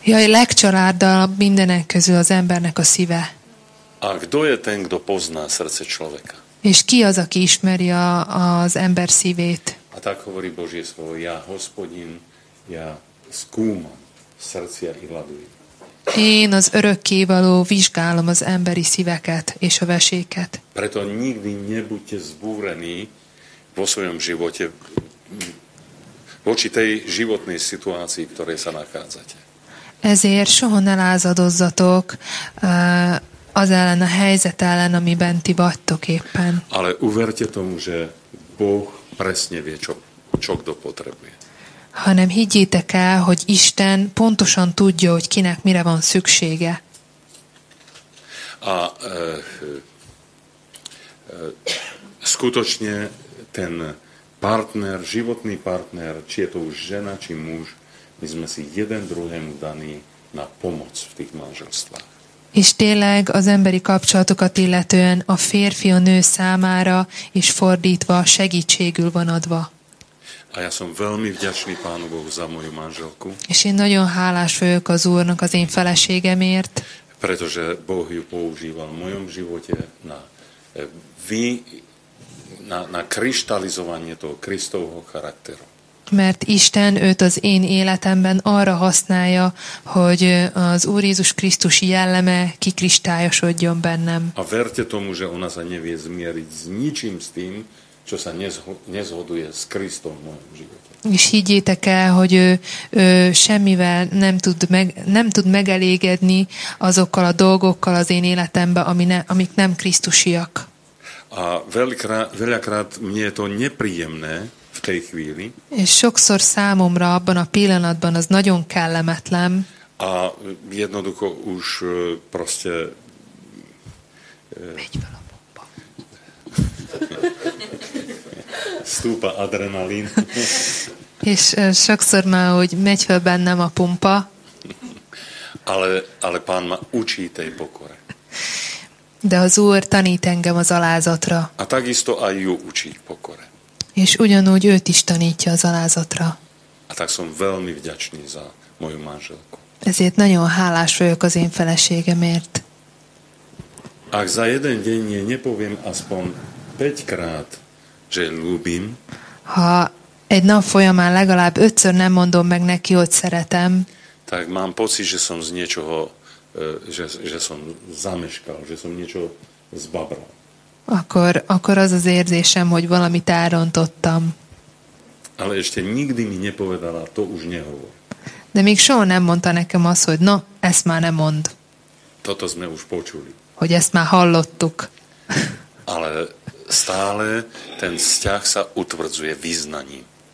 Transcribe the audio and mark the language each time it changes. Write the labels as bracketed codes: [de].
[hu] Jaj, legcsalárda mindenek közül az embernek a szíve. [sk] A kdo je ten, kdo pozná srdce človeka? [hu] És ki az, aki ismeri az ember szívét? [sk] A tak hovorí Božie slovo, ja, Hospodin, ja skúmam srdcia i hladujem. [hu] Én az örökkévaló vizsgálom az emberi szíveket és a veséket. [sk] Preto nikdy nebuďte zbúrení vo svojom živote voči tej životnej situácii, ktorej sa nachádzate. [hu] Ezért soha ne lázadozzatok az ellen, a helyzet ellen, amiben ti vagytok éppen. [sk] Ale uverte tomu, že Boh presne vie, čo kto potrebuje. [hu] hanem higgyétek el, hogy Isten pontosan tudja, hogy kinek mire van szüksége. [sk] A skutočne ten partner, životný partner, či je to už žena, či muž, my sme si jeden druhému daní na pomoc v tých manželstvách. [hu] És tényleg az emberi kapcsolatokat illetően a férfi a nő számára és fordítva segítségül van adva. [sk] A ja som veľmi vďačný Pánu Bohu za moju manželku. [hu] És én nagyon hálás vagyok az Úrnak az én feleségemért. [sk] Pretože Boh ju používal v mojom živote na kristalizovanie toho Kristovho charakteru. [hu] Mert Isten őt az én életemben arra használja, hogy az Úr Jézus Krisztus jelleme kikristályosodjon bennem. [sk] A verte tomu, že ona sa nevie zmieriť s ničím s tým, čo sa nezhoduje s Kristom v mojom živote. [hu] És higgyétek el, hogy ő semmivel nem tud megelégedni azokkal a dolgokkal az én életemben, amik nem krisztusiak. [sk] A veľakrát mne je to nepríjemné v tej chvíli. [hu] És sokszor számomra abban a pillanatban az nagyon kellemetlen. [sk] A jednoducho už proste... [hu] Megy fel a bomba. [sk] Stúpa adrenalin. [hu] És sokszor már, hogy megy fel bennem a pumpa. [sk] Ale Pán ma učí tej pokore. [hu] De az Úr tanít engem az alázatra. [sk] A takisto aj ju učí pokore. [hu] És ugyanúgy őt is tanítja az alázatra. [sk] A tak som veľmi vďačný za moju manželku. [hu] Ezért nagyon hálás vagyok az én feleségemért. [sk] Ak za jeden deň je nepoviem aspoň 5 krát, že ľúbim, [hu] ha egy nap folyamán legalább 5-ször nem mondom meg neki, hogy szeretem. [sk] Tak mám pocit, že som z niečoho, že som zameškal, že som niečo zbabral. [hu] Akkor az az érzésem, hogy valamit elrontottam. [sk] Ale ešte nikdy mi nepovedala, to už nehovor. [hu] De még soha nem mondta nekem azt, hogy no, ezt már nem mond. [sk] Toto sme už počuli. [hu] Hogy ezt már hallottuk. [sk] Ale stále ten vzťah sa utvrdzuje vyznaním.